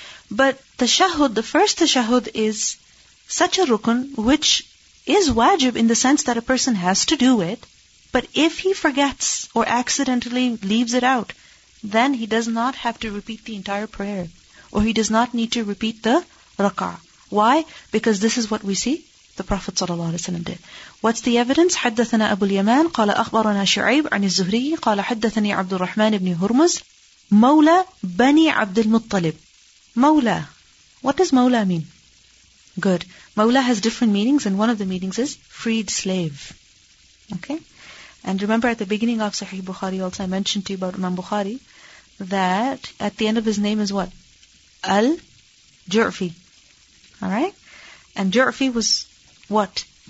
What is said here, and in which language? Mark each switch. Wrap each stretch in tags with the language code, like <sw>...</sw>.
<en>But tashahud, the first tashahud, is such a rukun which is wajib in the sense that a person has to do it, but if he forgets or accidentally leaves it out, then he does not have to repeat the entire prayer, or he does not need to repeat the rak'ah. Why? Because this is what we see the Prophet ﷺ did. What's the evidence?</en> <ar>حدثنا أبو اليمان قال أخبرنا شعيب عن الزهري قال حدثني عبد الرحمن بن هرمز مولى بني عبد المطلب.</ar> <en>مولى. What does مولى mean? Good. مولى has different meanings, and one of the meanings is freed slave. Okay? And remember at the beginning of Sahih Bukhari also I mentioned to you about Imam Bukhari that at the end of his name is what? Al-Ju'fi. Alright? And Ju'fi was what?</en>